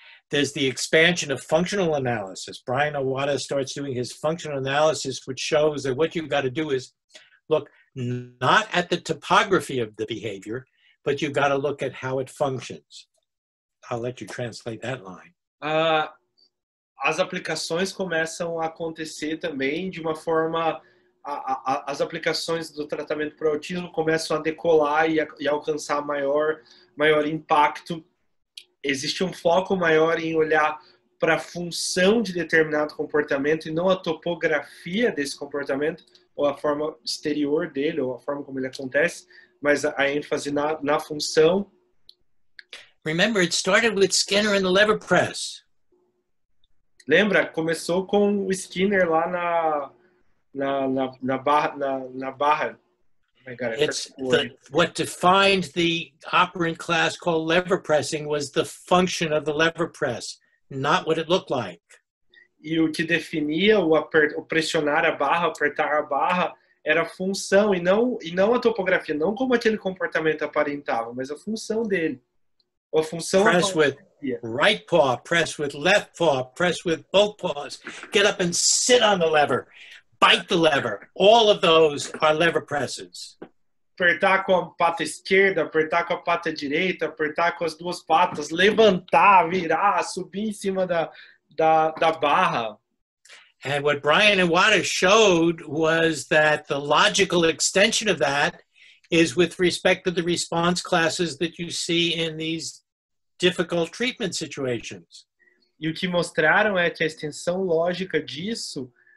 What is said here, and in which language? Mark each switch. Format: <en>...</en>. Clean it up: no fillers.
<en>There's the expansion of functional analysis. Brian Awada starts doing his functional analysis, which shows that what you've got to do is look not at the topography of the behavior, but you've got to look at how it functions. I'll let you translate that line.</en> <pt>As aplicações começam a acontecer também de uma forma... As aplicações do tratamento para o autismo começam a decolar e alcançar maior impacto. Existe um foco maior em olhar para a função de determinado comportamento e não a topografia desse comportamento, ou a forma exterior dele, ou a forma como ele acontece, mas a ênfase na função.</pt> <en>Remember, it started with Skinner and the lever press.</en> <pt>Lembra? Começou com o Skinner lá na barra.</pt> <en>It's what defined the operant class called lever pressing was the function of the lever press, not what it looked like.</en> <pt>E o que definia o pressionar a barra, apertar a barra, era a função e não a topografia, não como aquele comportamento aparentava, mas a função dele. A função</pt> <en>press with right paw, press with left paw, press with both paws, get up and sit on the lever. Bite the lever. All of those are lever presses.</en> <pt>Apertar com a pata esquerda, apertar com a pata direita, apertar com as duas patas, levantar, virar, subir em cima da barra.</pt> <en>And what Brian Iwata showed was that the logical extension of that is with respect to the response classes that you see in these difficult treatment situations.</en> <pt>E o que mostraram é que a extensão lógica disso...</pt>